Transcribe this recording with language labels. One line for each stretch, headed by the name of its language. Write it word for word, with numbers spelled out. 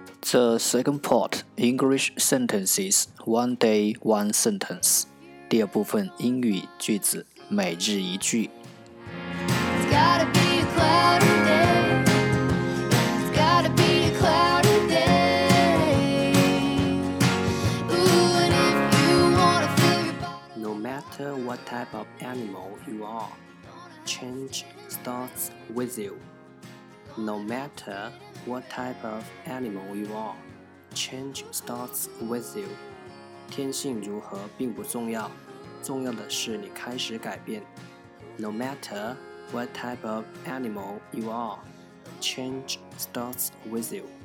English: The second part, English sentences, one day, one sentence.
Chinese: 第二部分，英语句子，每日一句。
English: It's gotta be a cloudy day. It's gotta be a cloudy day. Ooh, and if you wanna fill your body. No matter what type of animal you are, change starts with you. No matter what type of animal you are, change starts with you.
Chinese: 天性如何并不重要，重要的是你开始改变。
English: No matter what type of animal you are, change starts with you.